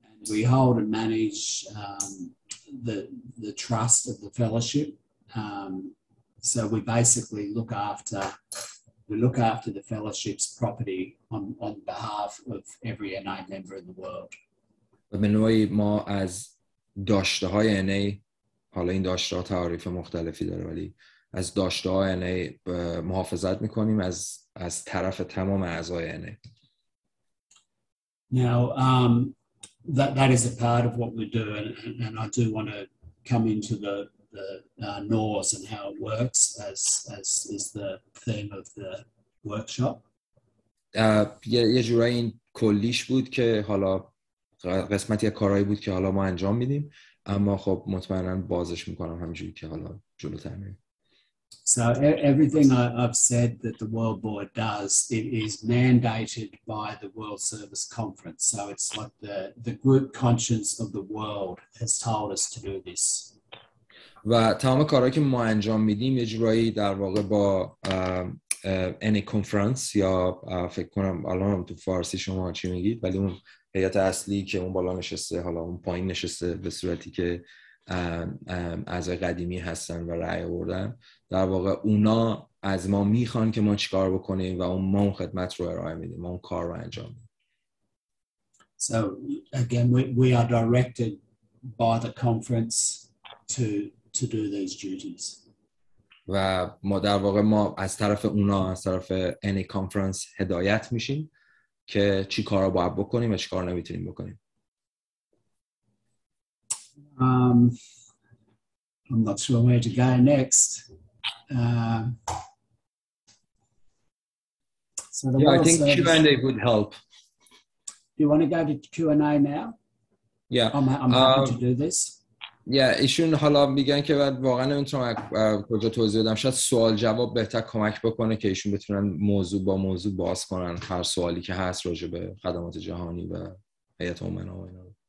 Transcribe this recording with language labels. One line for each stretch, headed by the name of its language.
English: We hold and manage the trust of the fellowship. So we basically look after the fellowship's property on behalf of every NA member in the world.
Persian: به نوعی ما از داشته های NA حالا این داشته ها تعریف مختلفی داره ولی از داشته های NA محافظت میکنیم از طرف تمام اعضای NA.
English: Now that is a part of what we do and I do want to come into the NAWS and how it works as is the theme of the workshop.
Persian: یه جورایی این کلیش بود که حالا قسمتی از کارهایی بود که حالا ما انجام میدیم اما خب مطمئنا بازش میکنم همینجوری که حالا جلوتر میریم.
English: So everything I've said that the World Board does, it is mandated by the World Service Conference. So it's like the group conscience of the world has told us to do this.
Persian: و تمام کارهایی که ما انجام میدیم یه جورایی در واقع با NA Conference یا فکر کنم الان تو فارسی شما چی میگید ولی اون هیئت اصلی که اون بالا نشسته حالا اون پایین نشسته به صورتی که اعضای قدیمی هستن و رأی آوردن در واقع اونا از ما میخوان که ما چیکار بکنیم و ما اون خدمت رو ارائه میدیم ما اون کار رو انجام میدیم.
English: So again we are directed by the conference to do these duties.
Persian: و ما در واقع ما از طرف اونا از طرف NA conference هدایت میشیم که چی کارا باید بکنیم و چی کار نمیتونیم بکنیم.
English: I'm not sure where to go next. I think Q&A would help. Do you want to go to Q&A now? I'm happy to do this.
Persian: ایشون حالا میگن که بعد واقعا نمیتونم کجا توضیح بدم شاید سوال جواب بهتر کمک بکنه که ایشون بتونن موضوع با موضوع باز کنن هر سوالی که هست راجع به خدمات جهانی و هیئت امنا و اینا.